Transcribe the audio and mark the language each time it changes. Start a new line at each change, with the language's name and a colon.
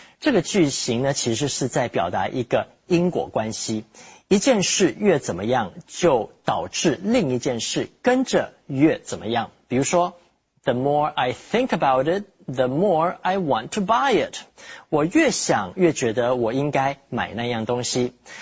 Chinese: 这个句型呢其实是在表达一个因果关系。一件事越怎么样就导致另一件事跟着越怎么样。比如说
English: ,the more I think about it, the more I want to buy it.
Chinese: 我越想越觉得我应该买那样东西。